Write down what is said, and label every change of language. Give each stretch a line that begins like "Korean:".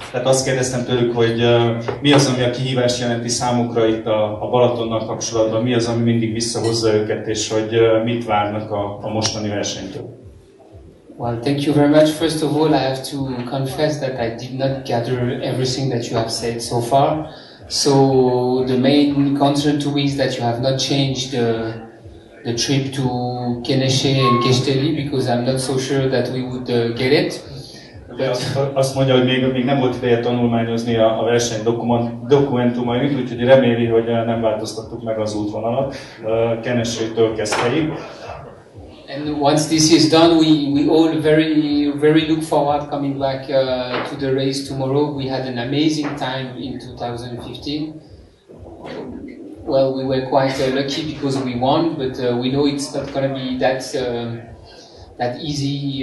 Hungarian: Tehát azt kérdeztem tőlük, hogy mi az, ami a kihívást jelenti számukra itt a Balatonnal kapcsolatban, mi az, ami mindig visszahozza őket, és hogy mit várnak a mostani versenytől.
English: Well, thank you very much. First of all, I have to confess that I did not gather everything that you have said so far. So the main concern to me is that you have not changed the trip to Kenesé and Kesteli, because I'm not so sure that we would get it.
Hungarian: But azt mondja, hogy még nem volt ideje tanulmányozni a verseny dokumentumait, úgyhogy reméli, hogy nem változtattuk meg az útvonalat Kenesétől Kesteliig.
English: And once this is done, we all very very look forward coming back to the race tomorrow. We had an amazing time in 2015. Well, we were quite lucky because we won, but we know it's not going to be that that easy.